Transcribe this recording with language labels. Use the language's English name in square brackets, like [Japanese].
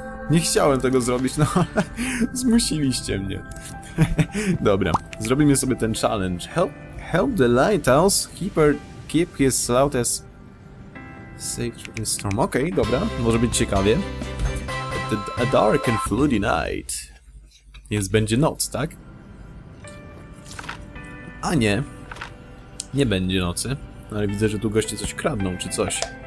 [Polish] Nie chciałem tego zrobić, no ale... Zmusiliście mnie. Dobra, zrobimy sobie ten challenge. [English] Help the lighthouse keeper keep his loudest... Safe from the storm. [Polish] Okej, dobra, może być ciekawie. [English] A dark and fluty night. [Polish] Więc będzie noc, tak? A nie. Nie będzie nocy. Ale widzę, że tu goście coś kradną, czy coś.